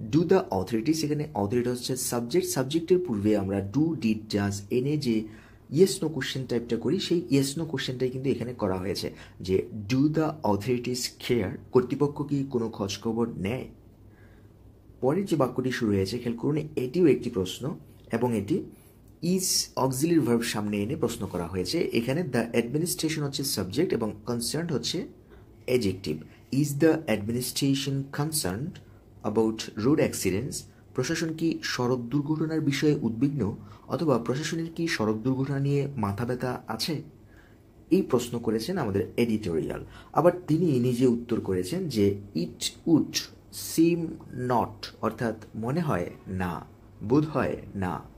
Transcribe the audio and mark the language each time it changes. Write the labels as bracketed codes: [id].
[bn] Do the authority, সেখানে authority হচ্ছে subject, সাবজেক্টের পূর্বে আমরা ডু ডিড ডাজ এনে যে ইয়েস নো কোশ্চেন টাইপটা করি, সেই ইয়েস নো কোশ্চেনটাই কিন্তু এখানে করা হয়েছে, যে [en] do the authorities care, [bn] কর্তৃপক্ষ কি কোনো খোঁজখবর নেয়। পরের যে বাক্যটি শুরু হয়েছে খেয়াল করুন, এটিও একটি প্রশ্ন, এবং এটি ইজ অক্সিলারি ভার্ব সামনে এনে প্রশ্ন করা হয়েছে। এখানে দ্য অ্যাডমিনিস্ট্রেশন হচ্ছে সাবজেক্ট এবং কনসার্ন হচ্ছে adjective. [en] Is the administration concerned about road accidents? [bn] প্রশাসন কি সড়ক দুর্ঘটনার বিষয়ে উদ্বিগ্ন, অথবা প্রশাসনের কি সড়ক দুর্ঘটনা নিয়ে মাথা ব্যথা আছে, এই প্রশ্ন করেছেন আমাদের এডিটোরিয়াল। আবার তিনি নিজে উত্তর করেছেন যে [en] it would seem not, [bn] অর্থাৎ মনে হয় না, বোধ হয় না।